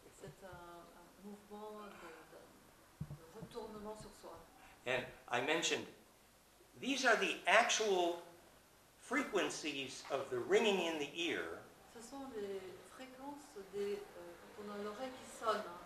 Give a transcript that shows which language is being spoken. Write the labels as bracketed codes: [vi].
[fr] C'est un mouvement de retournement sur soi. [en] And I mentioned, these are the actual frequencies of the ringing in the ear. [fr] Ce sont les fréquences des quand on a l'oreille qui sonne.